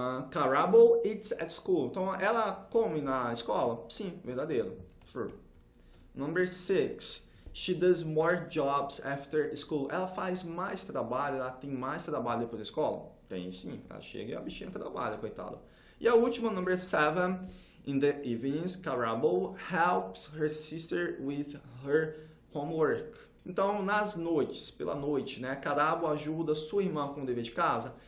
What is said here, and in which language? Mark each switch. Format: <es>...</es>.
<en>Carabel eats at school.</en> <pt>Então, ela come na escola? Sim, verdadeiro. True.</pt> <en>Number 6. She does more jobs after school.</en> <pt>Ela faz mais trabalho, ela tem mais trabalho depois da escola? Tem sim, ela chega e a bichinha trabalha, coitada. E a última,</pt> <en>number 7. In the evenings, Carabel helps her sister with her homework.</en> <pt>Então, nas noites, pela noite, né? Carabel ajuda sua irmã com o dever de casa?</pt>